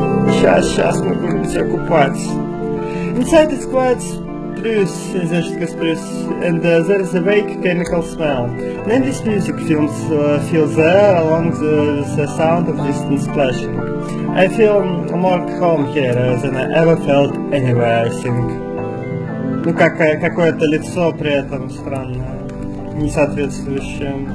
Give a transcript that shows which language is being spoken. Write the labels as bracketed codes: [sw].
[ru] Сейчас мы будем тебя купать. [en] Inside is quite spruce, [ru] значит, как [en] spruce, and there is a vague chemical smell. Then this music feels there, along with the sound of distant splashing. I feel more at home here than I ever felt anywhere, I think. [ru] Ну, какое-то лицо при этом странное, не соответствующее.